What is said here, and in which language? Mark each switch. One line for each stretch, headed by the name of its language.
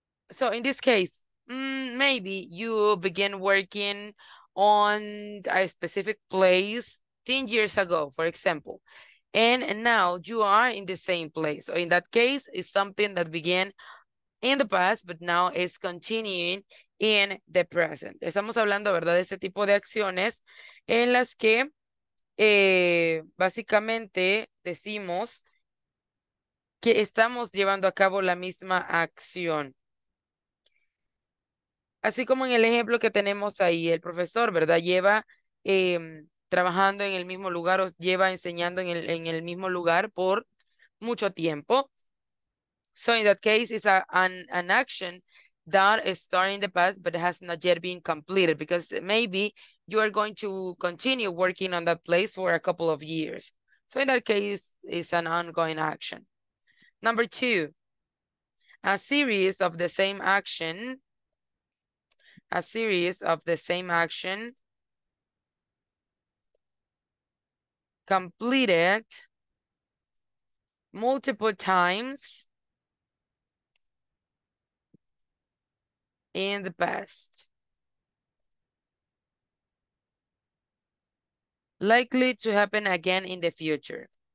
English: So in this case, maybe you begin working on a specific place 10 years ago, for example, and now you are in the same place. So in that case, it's something that began in the past, but now it's continuing in the present.
Spanish: Estamos hablando, ¿verdad?, de ese tipo de acciones en las que básicamente decimos que estamos llevando a cabo la misma acción. Así como en el ejemplo que tenemos ahí, el profesor, ¿verdad?, lleva trabajando en el mismo lugar o lleva enseñando en el mismo lugar por mucho tiempo.
English: So in that case, it's an action that started in the past, but has not yet been completed, because maybe you are going to continue working on that place for a couple of years. So in that case, it's an ongoing action. Number two, a series of the same action completed multiple times in the past, likely to happen again in the future.